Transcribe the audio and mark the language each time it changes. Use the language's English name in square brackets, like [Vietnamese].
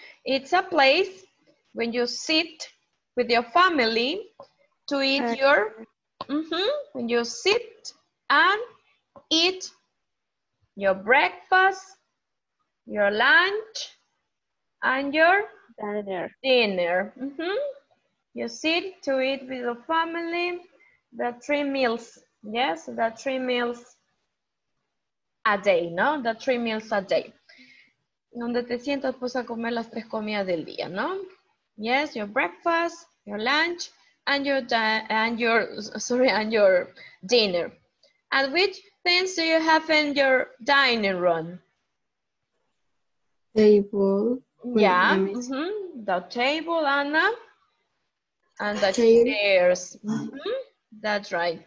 [English] It's a place when you sit with your family to eat your, when you sit and eat your breakfast, your lunch, and your dinner. Mm-hmm. You sit to eat with your family, the three meals, yes, the three meals a day, no? The three meals a day. [Spanish] Donde te sientas pues a comer las tres comidas del día, no? [English] Yes, your breakfast, your lunch, and your dinner. And which things do you have in your dining room? Table. Yeah. Mm-hmm. The table, Anna. And the chairs. Mm-hmm. That's right.